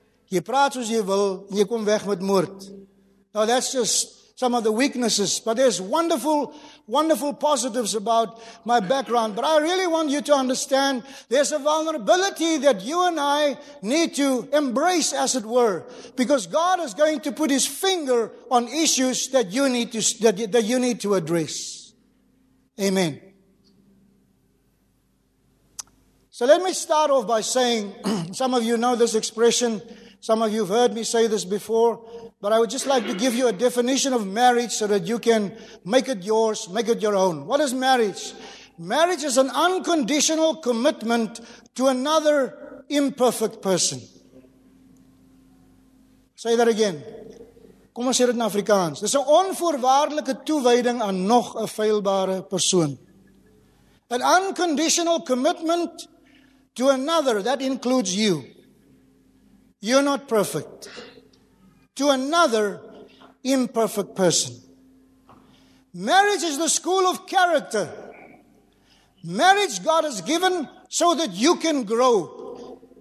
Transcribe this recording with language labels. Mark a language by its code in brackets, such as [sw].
[af] Jy praat soos jy wil en jy kom weg met moord. [en] Now that's just some of the weaknesses. But there's wonderful, wonderful positives about my background. But I really want you to understand there's a vulnerability that you and I need to embrace, as it were. Because God is going to put his finger on issues that you need to address. Amen. So let me start off by saying, some of you know this expression. Some of you have heard me say this before, but I would just like to give you a definition of marriage so that you can make it yours, make it your own. What is marriage? Marriage is an unconditional commitment to another imperfect person. Say that again. [af] Kom ons sê dit in Afrikaans. Dis 'n onvoorwaardelike toewyding aan nog 'n feilbare persoon. [en] An unconditional commitment to another, that includes you. You're not perfect. To another imperfect person. Marriage is the school of character. Marriage God has given so that you can grow.